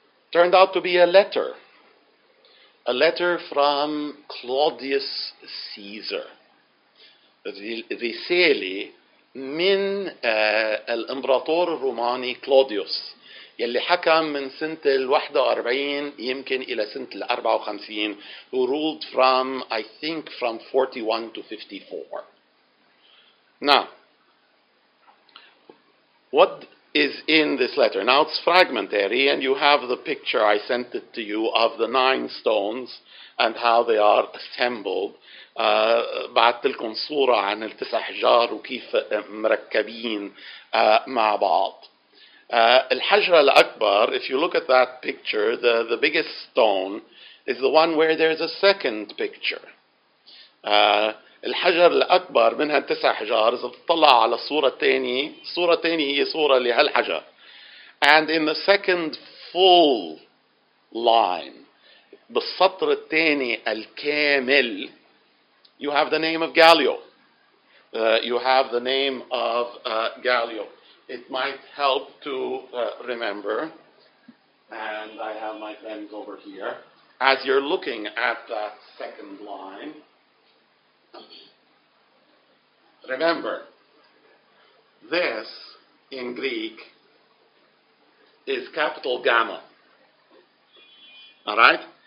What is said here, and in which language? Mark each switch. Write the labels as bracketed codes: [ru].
[en] Turned out to be a letter from Claudius Caesar. [ar] رسالة من الإمبراطور الروماني كلوديوس يلي حكم من سنة 41 يمكن إلى سنة 54. [en] Who ruled from, I think, from 41 to 54. Now, what is in this letter? Now, it's fragmentary, and you have the picture, I sent it to you, of the nine stones and how they are assembled. [ar] بعدت لكم صورة عن التسع حجار وكيف مركبين مع بعض. الحجر الأكبر, [en] if you look at that picture, the biggest stone is the one where there's a second picture. [ar] الحجر الأكبر من هالتسع حجار, إذا تطلع على الصورة الثانية, الصورة الثانية هي صورة لهالحجر. [en] And in the second full line, [ar] بالسطر الثاني الكامل, [en] you have the name of Gallio. You have the name of Gallio. It might help to remember, and I have my pens over here, as you're looking at that second line, remember, this in Greek is capital gamma, all right?